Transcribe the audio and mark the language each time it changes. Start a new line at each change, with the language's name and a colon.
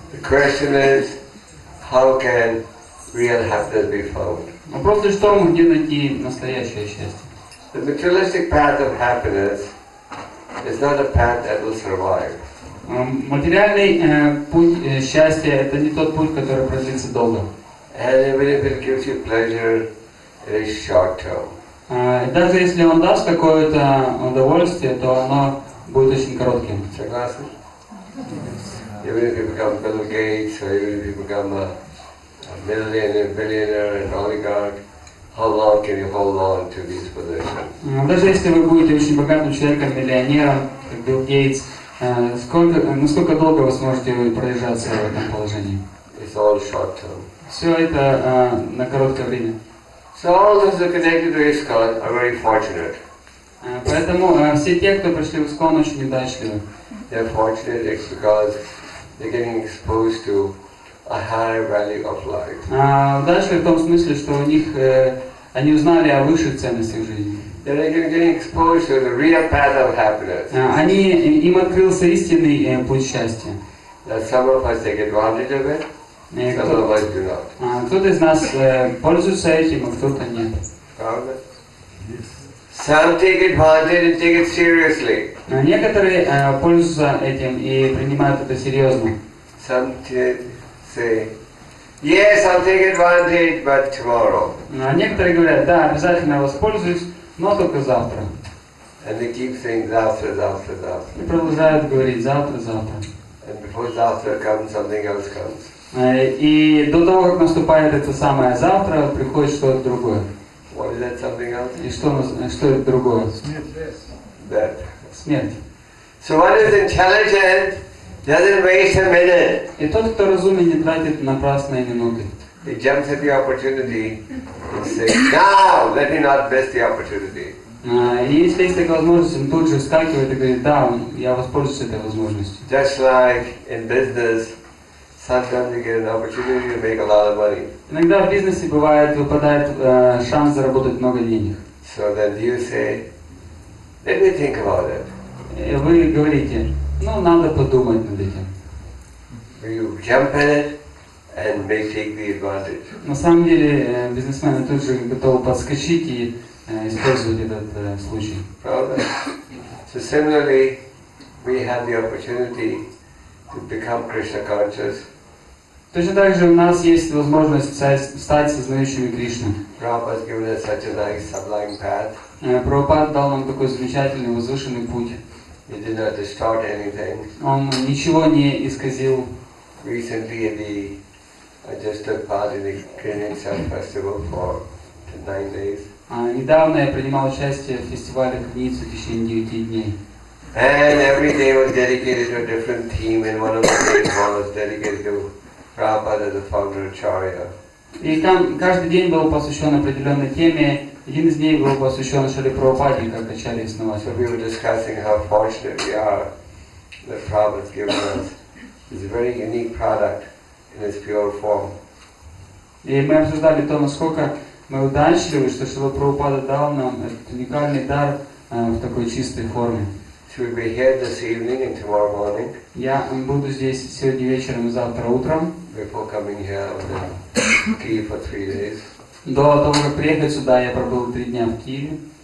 English: The question is, how can real happiness be found?
Russian: Вопрос лишь в том, где найти настоящее счастье.
English: The materialistic path of happiness is not a path that will survive.
Russian: Материальный путь счастья — это не тот путь, который продлится долго.
English: And even if it gives you pleasure, it is short term.
Russian: Даже если он даст какое-то удовольствие, то оно будет очень коротким. Согласны?
English: Even if you become Bill Gates, or even if you become a millionaire, billionaire, an oligarch, how long can you hold on to these positions?
Russian: Даже если вы будете очень богатым человеком, миллионером, как Билл Гейтс, насколько долго вы сможете продержаться в этом положении?
English: It's all short term.
Russian: Все это на короткое время.
English: So all those who are connected to ISKCON are very fortunate.
Russian: Поэтому все те, кто пришли в ISKCON, очень удачливы.
English: They're fortunate because they're getting exposed to a higher value of life.
Russian: Дальше в том смысле, что у них они узнали о высших ценностях жизни.
English: They're getting exposed to the real path of happiness.
Russian: Им открылся истинный путь счастья.
English: That some of us take advantage of it, some of us do not.
Russian: Кто-то из нас пользуется этим, а кто-то нет.
English: Some take advantage and take it seriously.
Russian: Некоторые пользуются этим и принимают это серьезно.
English: Some say, yes, I'll take advantage, but tomorrow.
Russian: Некоторые говорят, да, обязательно воспользуюсь, но только завтра.
English: And they keep saying
Russian: завтра, завтра, завтра. И продолжают говорить завтра, завтра.
English: And before завтра comes, something else comes.
Russian: И до того, как наступает это самое завтра, приходит что-то другое.
English: What is that something else?
Russian: И что это другое?
English: Death.
Russian: Смерть.
English: So one is intelligent, doesn't waste a minute.
Russian: И тот, кто разумен, не тратит напрасные минуты.
English: He jumps at the opportunity and says, now, let me not miss the opportunity.
Russian: И если есть такая возможность, он тут же вскакивает и говорит, да, я воспользуюсь этой возможностью.
English: Just like in business, sometimes you get an opportunity to make a lot of money.
Russian: Иногда в бизнесе бывает, выпадает шанс заработать много денег.
English: So then you say, let me think about it.
Russian: И вы говорите, ну, надо подумать над этим.
English: You jump at it and may take the advantage.
Russian: На самом деле, бизнесмены тут же готовы подскочить и использовать этот случай. Правда?
English: So similarly, we have the opportunity to become Krishna conscious.
Russian: Точно так же у нас есть возможность стать сознающими Кришны.
English: Prabhupada gave us such a nice sublime path.
Russian: Прабхупада дал нам такой замечательный возвышенный путь.
English: He did not distort anything.
Russian: Он ничего не исказил.
English: Recently I just took part in the Kirtan festival for 9 days.
Russian: Недавно я принимал участие в фестивале Киртан в течение 9 дней.
English: And every day was dedicated to a different theme, and one of the days was dedicated to Prabhupada, the founder of Acharya.
Russian: И там каждый день был посвящен определенной теме. Один из дней был посвящен Шри Прабхупаде, как Ачарья основатель.
English: So we were discussing how fortunate we are that Prabhupada's given us this very unique product in its pure form.
Russian: И мы обсуждали то, насколько мы удачливы, что Шри Прабхупада дал нам этот уникальный дар в такой чистой форме.
English: So we'll be here this evening and tomorrow morning.
Russian: Я буду здесь сегодня вечером и завтра утром.
English: Before coming here, I'll be in Kyiv for 3 days.
Russian: До того, как приехать сюда, я пробыл 3 дня в Киеве.